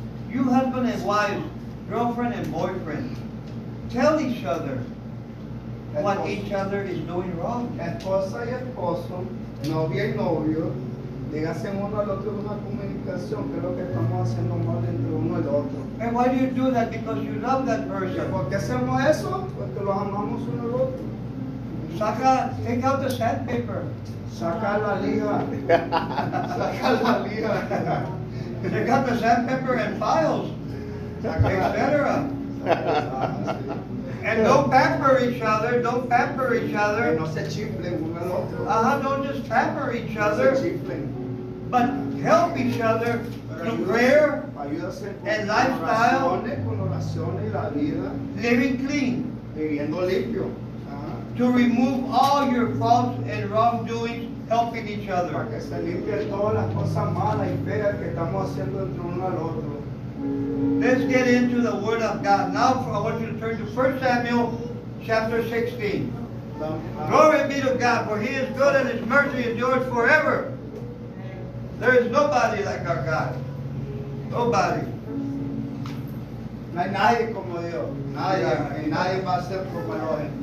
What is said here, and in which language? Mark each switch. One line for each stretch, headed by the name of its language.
English: You husband and wife, girlfriend and boyfriend, tell each other
Spanish: esposo.
English: What each other is doing wrong.
Spanish: Esposa y esposo, novia y novio, dígase uno al otro una comunicación, que es lo que estamos haciendo mal entre uno y el otro.
English: And why do you do that? Because you love that person.
Spanish: ¿Por qué hacemos eso? Porque los amamos uno al otro. Saca,
English: take out the sandpaper.
Spanish: Saca la liga. Saca la liga.
English: Take out the sandpaper and files. Etc. And don't pamper each other. Don't pamper each other.
Spanish: No se chiflen uno al otro.
English: Don't just pamper each other.
Spanish: No se chiflen.
English: But help each other through prayer and lifestyle.
Spanish: Con oraciones y la vida.
English: Living clean.
Spanish: Viviendo limpio.
English: To remove all your faults and wrongdoings, helping each other.
Spanish: Para que se limpien todas las cosas malas y feas que estamos haciendo entre uno al otro.
English: Let's get into the Word of God. Now I want you to turn to 1 Samuel chapter 16. Glory be to God, for He is good and His mercy endures forever. There is nobody like our God. Nobody.
Spanish: No hay nadie como Dios. Nadie. Y nadie va a ser como Él.